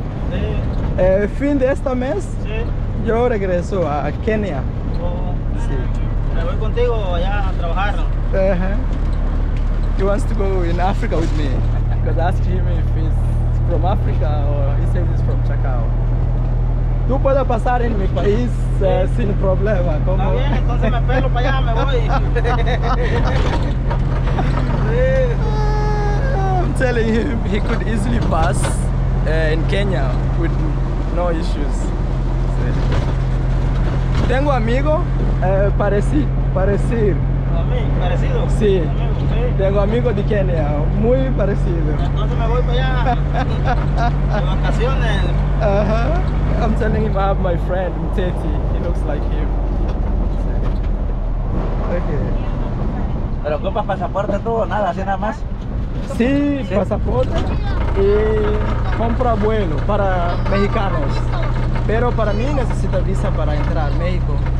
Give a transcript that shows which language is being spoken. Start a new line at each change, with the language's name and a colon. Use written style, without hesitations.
Spanish: Sí. Fin de este mes, sí. Yo regreso a Kenia. Oh. Sí. Me voy contigo allá a trabajar.
English: Uh-huh. He wants to go in Africa with me. Because I asked him if he's from Africa or he says he's from Chacao.
Spanish: Tú puedes pasar en mi país sin problema. Como... Está bien, entonces me pelo para allá, me voy.
English: I'm telling him he could easily pass in Kenya with no issues.
Spanish: Tengo amigo parecido. ¿A mí? ¿Parecido? Sí. Tengo amigo de Kenia, muy parecido. Entonces me voy para allá. De vacaciones. Uh-huh.
English: I'm telling him I have my friend, Teti. He looks like him. Okay.
Spanish: ¿Pero ocupas pasaporte tú o nada, así nada más? Sí, sí, pasaporte. Y compra vuelo para mexicanos. Pero para mí necesita visa para entrar a México.